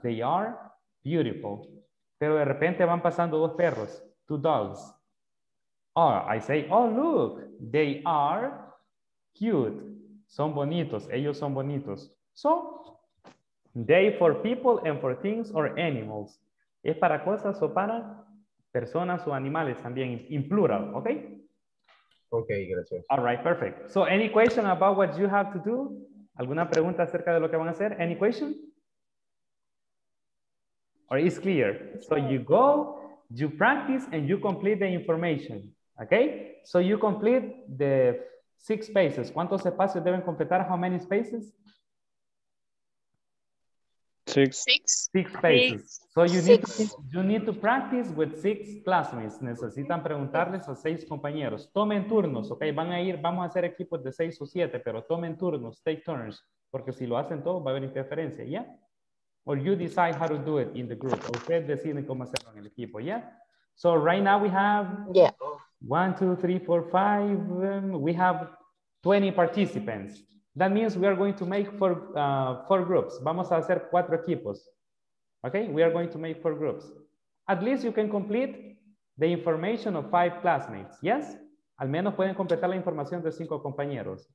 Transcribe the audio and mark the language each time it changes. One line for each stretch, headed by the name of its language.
English: They are beautiful.
Spanish: Pero de repente van pasando dos perros,
English: two dogs. Oh, I say, oh, look, they are cute.
Spanish: Son bonitos, ellos son bonitos.
English: So, they for people and for things or animals.
Spanish: Es para cosas o para personas o animales también,
English: in plural,
Spanish: ¿ok? Ok, gracias.
English: All right, perfect. So, any question about what you have to do?
Spanish: ¿Alguna pregunta acerca de lo que van a hacer?
English: Any question? Or is clear? So, you go, you practice, and you complete the information, ¿ok? So, you complete the 6 spaces.
Spanish: ¿Cuántos espacios deben completar?
English: How many spaces? 6 spaces. So you need to practice with 6 classmates.
Spanish: Necesitan preguntarles a 6 compañeros. Tomen turnos, ok. Vamos a hacer equipos de 6 o 7, pero tomen turnos,
English: take turns.
Spanish: Porque si lo hacen todos, va a haber interferencia, ¿ya?
English: Yeah? Or you decide how to do it in the group.
Spanish: O ustedes deciden cómo hacerlo en el equipo, ¿ya?
English: Yeah? So right now we have 1, 2, 3, 4, 5. We have 20 participants. That means we are going to make 4 groups.
Spanish: Vamos a hacer 4 equipos.
English: Okay, we are going to make 4 groups. At least you can complete the information of 5 classmates. Yes?
Spanish: Al menos pueden completar la información de 5 compañeros.